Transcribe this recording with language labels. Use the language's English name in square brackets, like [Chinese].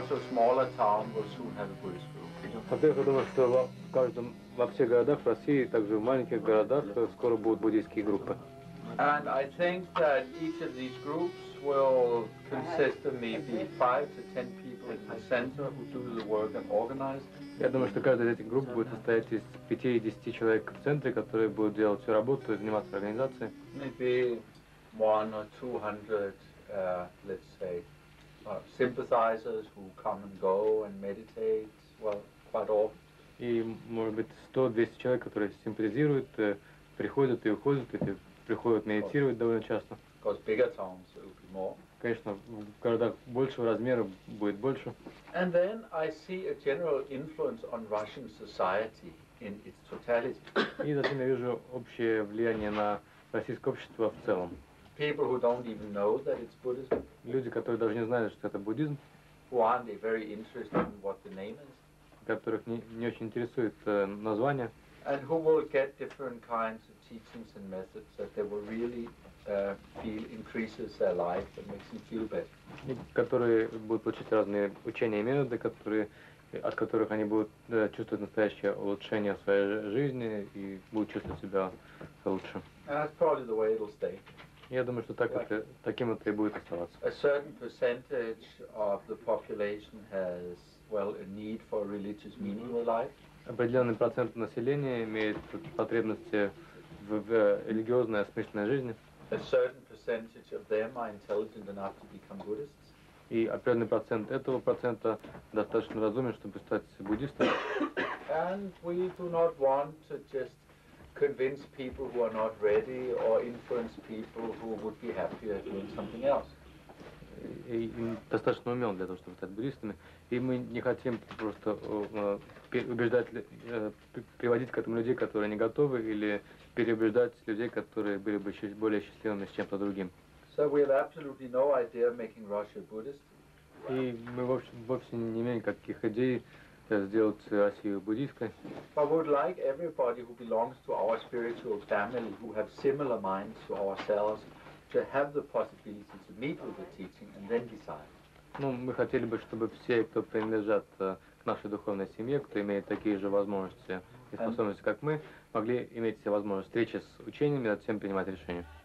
[Russian] Во-первых, я думаю, что во всех городах России, также в маленьких городах, скоро будут буддийские группы. [English] And I think that each of these groups will consist of maybe 5 to 10 people in the center who do the work and organize. [Russian] Я думаю, что каждая из этих групп будет состоять из 5-10 человек в центре, которые будут делать всю работу и заниматься организацией. [English] Maybe 100 or 200, let's say. Sympathizers who come and go and meditate, well, quite often. [Russian] И, может быть, 100-200 человек, которые симпатизируют, приходят и уходят, и приходят медитировать довольно часто. [English] Because bigger towns, it would be more. [Russian] Конечно, в городах большего размера будет больше. [English] And then I see a general influence on Russian society in its totality. [Russian] И затем я вижу общее влияние на российское общество в целом. [English] People who don't even know that it's Buddhism. [Russian] Люди, которые даже не знают, что это буддизм. [English] Who aren't very interested in what the name is. [Russian] Которых не очень интересует название. [English] And who will get different kinds of teachings and methods that they will really feel increases their life and makes them feel better. [Russian] И которые будут получить разные учения и методы, от которых они будут чувствовать настоящее улучшение своей жизни и будут чувствовать себя лучше. [English] And that's probably the way it'll stay. [Russian] Я думаю, что таким это и будет оставаться. [English] A certain percentage of the population has, well, a need for religious meaning in life. [Russian] Определенный процент населения имеет потребности в религиозной осмысленной жизни. [English] A certain percentage of them are intelligent enough to become Buddhists. [Russian] И определенный процент этого процента достаточно разумен, чтобы стать буддистом. [English] And we do not want to just convince people who are not ready or influence people who would be happier doing something else. [Russian] И достаточно умен для того, чтобы стать буддистами. И мы не хотим просто приводить к этому людей, которые не готовы, или переубеждать людей, которые были бы более счастливыми с чем-то другим. [English] So we have absolutely no idea of making Russia Buddhist. [Russian] И мы вовсе не имеем никаких идей сделать Россию буддийской. [English] But we would like everybody who belongs to our spiritual family, who have similar minds to ourselves, to have the possibility to meet with the teaching and then decide. [Russian] Ну, мы хотели бы, чтобы все, кто принадлежат к нашей духовной семье, кто имеет такие же возможности и способности, как мы, могли иметь все возможности встречи с учениями, а затем принимать решения.